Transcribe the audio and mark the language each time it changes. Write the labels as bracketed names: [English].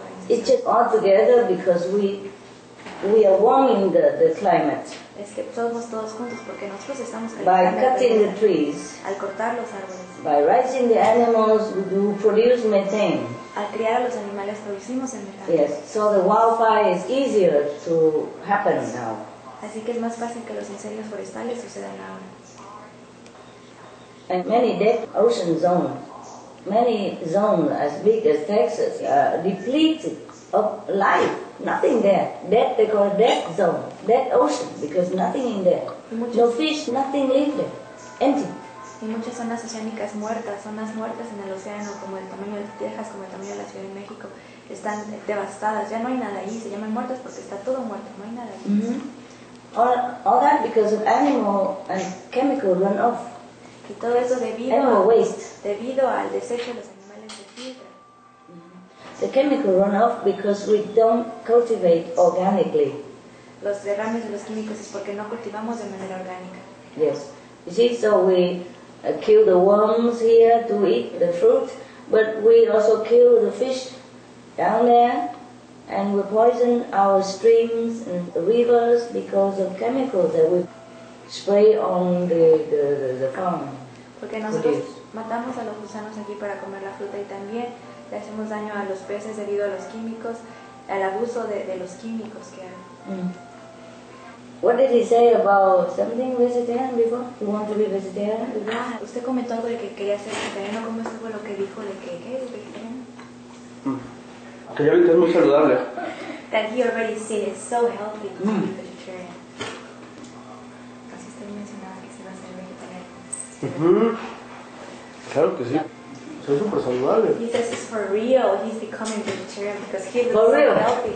[English] It's just all together because we are warming the climate. [Spanish] Es que somos todos juntos porque nosotros estamos calentando. [English] By cutting the trees. [Spanish] Al cortar los árboles. [English] By raising the animals, we do produce methane. [Spanish] al criar a los animales producimos en el campo. [English] Yes, so the wildfire is easier to happen now. [Spanish] Así que es más fácil que los incendios forestales sucedan ahora. [English] And many deep ocean zones, many zones as big as Texas are depleted of life. Nothing there. Dead, they call it dead zone, dead ocean, because nothing in there. No fish, nothing live there. Empty. [Spanish] Y muchas zonas oceánicas muertas, zonas muertas en el océano, como el tamaño de Texas, como el tamaño de la Ciudad de México, están devastadas. Ya no hay nada ahí. Se llaman muertas porque está todo muerto. No hay nada ahí. Mm-hmm. [English] All that because of animal and chemical runoff. [Spanish] Y todo eso debido al desecho de los animales se filtra. [English] The chemical runoff because we don't cultivate organically. [Spanish] Los derrames de los químicos es porque no cultivamos de manera orgánica. [English] Yes. You see, so we kill the worms here to eat the fruit, but we also kill the fish down there, and we poison our streams and rivers because of chemicals that we spray on the farm. [Spanish] Porque nosotros matamos a los gusanos aquí para comer la fruta y también le hacemos daño a los peces debido a los químicos, al abuso de los químicos que hay. Mm. [English] What did he say about something vegetarian before? You want to be vegetarian? [Spanish] Ah, usted comentó algo de que quería ser vegetariano. ¿Cómo estuvo lo que dijo de que qué es vegetariano? Que ya ahorita es muy saludable. [English] That he already said it's so healthy to be vegetarian. [Spanish] Así usted mencionaba que se va a ser vegetariano. Claro que sí. Soy súper saludable. [English] He says it's for real. He's becoming vegetarian because he looks so healthy.